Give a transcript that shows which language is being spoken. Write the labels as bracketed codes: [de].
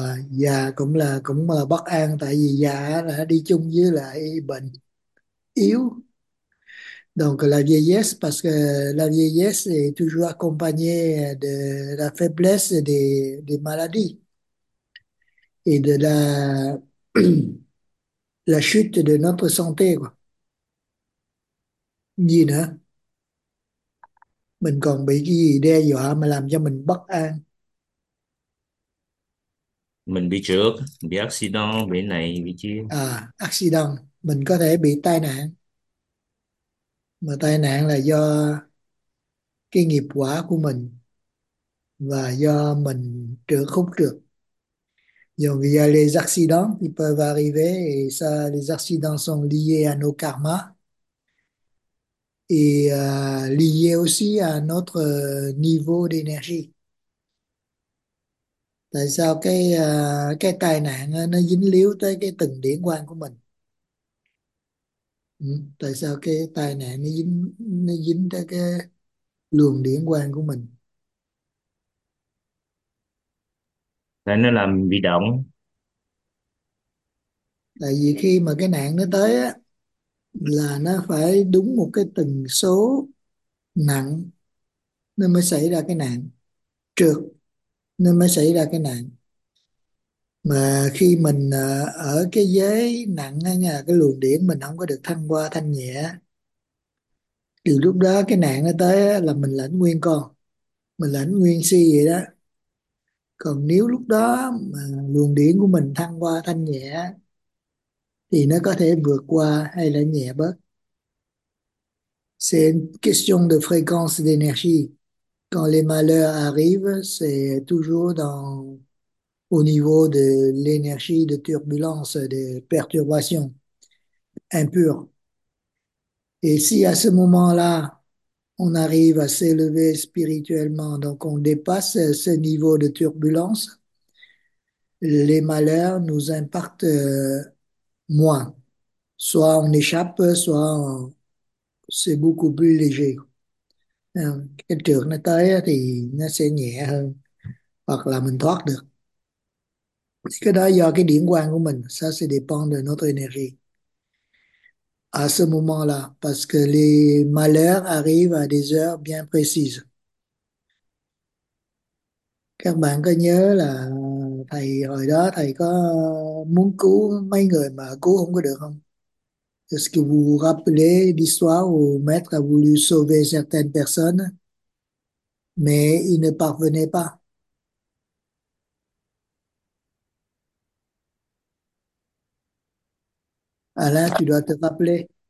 [vi] Già cũng là bất an, tại vì già là đi chung với lại bệnh yếu. [fr] Donc la vieillesse, parce que la vieillesse est toujours accompagnée de la faiblesse des maladies et de la chute de notre santé, quoi. [vi] Gì nữa? Mình còn bị cái gì đe dọa mà làm cho mình bất an? Mình bị trượt, bị accident, bị này, bị kia. À, accident, mình có thể bị tai nạn. Mà tai nạn là do cái nghiệp quả của mình. và do mình trượt khúc trượt. [fr] Donc, il y a les accidents qui peuvent arriver, et ça, les accidents sont liés à nos karmas et liés aussi à notre niveau d'énergie. [vi] Tại sao cái tai nạn nó dính líu tới cái từng điển quang của mình? Ừ, tại sao cái tai nạn nó dính tới cái luồng điển quang của mình? Tại nó làm bị động. Tại vì khi mà cái nạn nó tới á, là nó phải đúng một cái tần số nặng nên mới xảy ra cái nạn, trượt nên mới xảy ra cái nạn. Mà khi mình ở cái giới nặng á nha, cái luồng điển mình không có được thăng qua thanh nhẹ, thì lúc đó cái nạn nó tới á, là mình lãnh nguyên con, mình lãnh nguyên si vậy đó. Còn nếu lúc đó mà luồng điển của mình thăng qua thanh nhẹ thì nó có thể vượt qua hay là nhẹ bớt. [fr] C'est une question de fréquence d'énergie. Quand les malheurs arrivent, c'est toujours dans au niveau de l'énergie de turbulence, de perturbation impure. Et si à ce moment-là, on arrive à s'élever spirituellement, donc on dépasse ce niveau de turbulence, les malheurs nous impactent moins. Soit on échappe, c'est beaucoup plus léger. [vi] Cái trượt nó tới thì nó sẽ nhẹ hơn, hoặc là mình thoát được. Cái đó do cái điển quang của mình, [fr] ça se dépend de notre énergie. À ce moment-là, parce que les malheurs arrivent à des heures bien précises. [vi] Các bạn có nhớ là thầy hồi đó thầy có muốn cứu mấy người mà cứu không có được không? [fr] Est-ce que vous rappelez l'histoire où maître a voulu sauver certaines personnes, mais il ne parvenait pas? Alain, tu dois te rappeler.